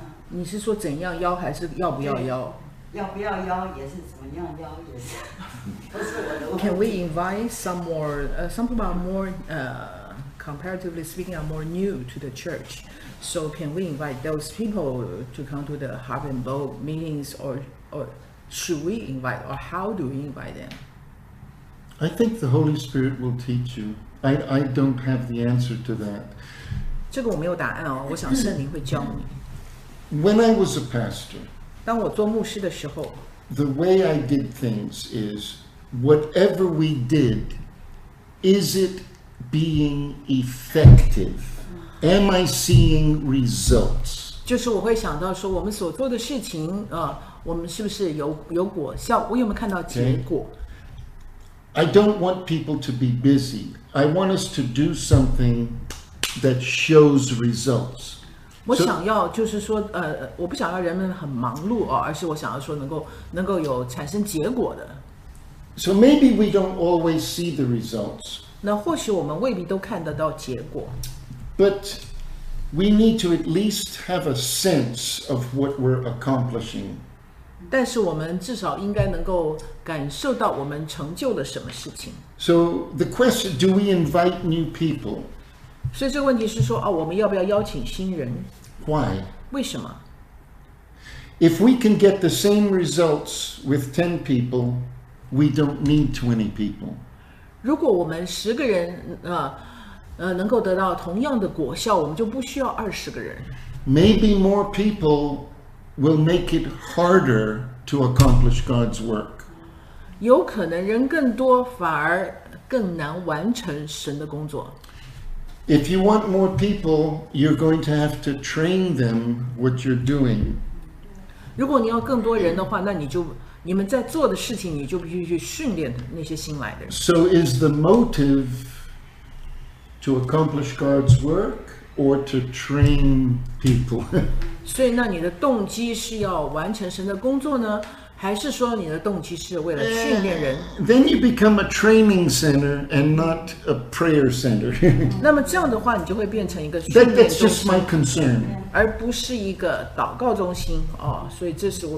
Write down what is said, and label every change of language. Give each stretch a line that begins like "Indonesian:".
Chinese: 你是说怎样邀还是要不要邀？要不要邀也是，怎么样邀也是，不是我的问题。
English: Can we invite some more, some people are more, comparatively speaking, are more new to the church. So can we invite those people to come to the Harp and Bow meetings or should we invite or how do we invite them? I think the Holy Spirit will teach you. I don't have the answer to that.
Chinese: 这个我没有答案哦，我想圣灵会教你。
English: When I was a pastor,
Chinese: 当我做牧师的时候,
English: the way I did things is whatever we did, is it being effective? Am I seeing results?
Chinese: 就是我会想到说，我们所做的事情，我们是不是有果效？我有没有看到结果
English: ？I don't want people to be busy. I want us to do something that shows results.
Chinese: 我想要就是说，我不想要人们很忙碌啊，而是我想要说能够有产生结果的。
English: So maybe we don't always see the results.
Chinese: 那或许我们未必都看得到结果。
English: But we need to at least have a sense of what we're accomplishing.
Chinese: 但是我们至少应该能够感受到我们成就了什么事情。
English: So the question, do we invite new people?
Chinese: 所以这个问题是说，我们要不要邀请新人？
English: Why?
Chinese: 为什么？
English: If we can get the same results with 10 people, we don't need 20 people.
Chinese: 如果我们十个人，能够得到同样的果效，我们就不需要二十个人。
English: Maybe more people will make it harder to accomplish God's work.
Chinese: 有可能人更多反而更难完成神的工作。
English: If you want more people, you're going to have to train them what you're doing.
Chinese: 如果你要更多人的话，那你们在做的事情，你就必须去训练那些新来的人。
English: So is the motive. To accomplish God's work or to train people.
Chinese: 所以，那你的动机是要完成神的工作呢，还是说你的动机是为了训练人？
English: Then you become a training center and not a prayer center.
Chinese: 那么这样的话，你就会变成一个训练
English: 中心。That's just my concern.
Chinese: 而不是一个祷告中心哦，所以这是我。